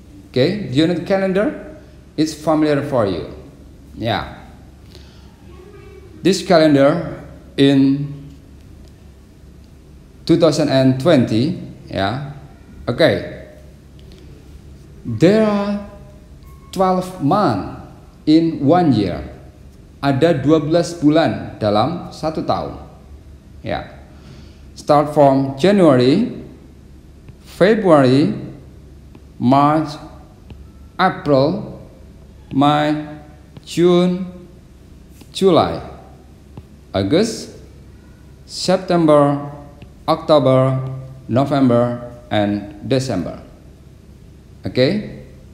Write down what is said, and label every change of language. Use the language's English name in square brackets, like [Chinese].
[English] Okay, do you know the calendar? It's familiar for you. Yeah. This calendar in 2020, yeah, okay, there are 12 months in 1 year. [Indonesian] Ada 12 bulan dalam 1 tahun, yeah. [English] Start from January, February, March, April, May, June, July, August, September, October, November, and December. Okay?